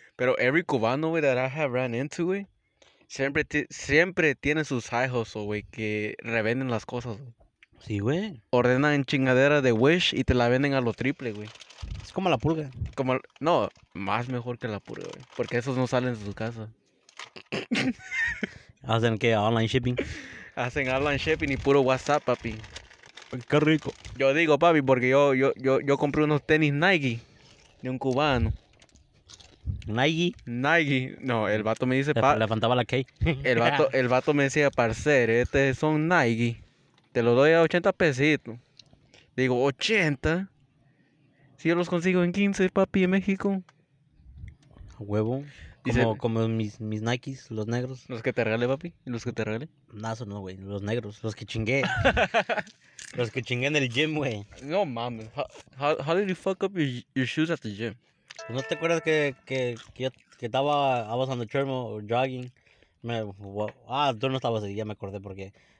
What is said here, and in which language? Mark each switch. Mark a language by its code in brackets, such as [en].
[en] Pero every cubano, güey, that I have ran into, güey. [es] Siempre tiene sus [en] high hustle, [es] güey, que revenden las cosas, güey. Sí, güey. Ordenan chingadera de Wish y te la venden a lo triple, güey. Es como la pulga. Como, no, más mejor que la pulga, güey. Porque esos no salen de su casa. ¿Hacen qué? ¿Online shipping? Hacen online shipping y puro WhatsApp, papi. Qué rico. Yo digo, papi, porque yo compré unos tenis Nike de un cubano. ¿Nike? No, el vato me dice... Le faltaba la K. El vato me decía, parcer, estos son Nike. Te los doy a 80 pesitos. Digo, ¿80? Si yo los consigo en 15, papi, en México. A huevo. Como mis Nikes, los negros. ¿Los que te regalé, papi? ¿Los que te regalé? Nazo, no, güey. Los negros. Los que chingué. Los que chingué en el gym, güey. No, mames. [en] How did you fuck up your shoes at the gym? [es] ¿No te acuerdas que estaba... [en] I was on the treadmill jogging. [es] Tú no estabas ahí. Ya me acordé porque...